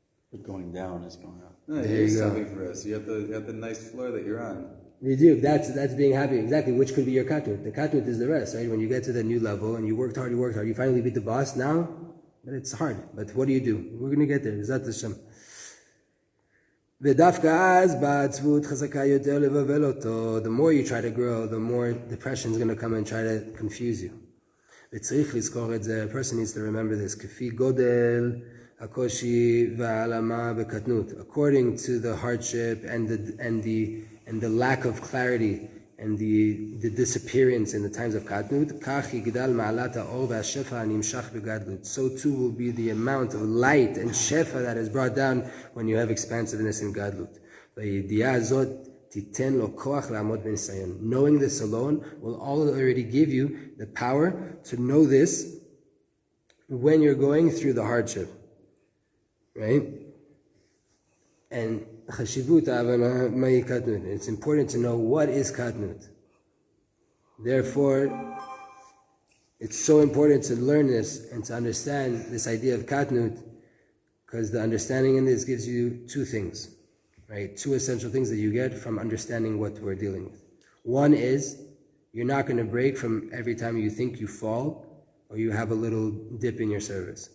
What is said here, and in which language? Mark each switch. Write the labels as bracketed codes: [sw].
[en] But going down is going up. No, there you go. You have the nice floor that you're on. You do. That's being happy. Exactly. Which could be your katnut? The katnut is the rest, right? When you get to the new level and you worked hard, you finally beat the boss now. But it's hard. But what do you do? We're going to get there. Zat Hashem. [he] ודווקא אז בעצבות חזקה יותר לבבל אותו. [en] The more you try to grow, the more depression is going to come and try to confuse you. [he] וצריך לזכור את זה. [en] A person needs to remember this. [he] כפי גודל הקושי והעלמה בקטנות, [en] according to the hardship and the lack of clarity and the disappearance in the times of katnut, [he] כך יגדל מעלת האור והשפע הנמשך בגדלות. [en] So too will be the amount of light and shefa that is brought down when you have expansiveness in gadlut. [he] והידיעה הזאת תיתן לו כוח לעמוד בניסיון. [en] Knowing this alone will already give you the power to know this when you're going through the hardship. Right? [he] And חשיבות ההבנה מהי קטנות. [en] It's important to know what is קטנות. Therefore, it's so important to learn this and to understand this idea of קטנות, because the understanding in this gives you two things, right? Two essential things that you get from understanding what we're dealing with. One is, you're not going to break from every time you think you fall, or you have a little dip in your service.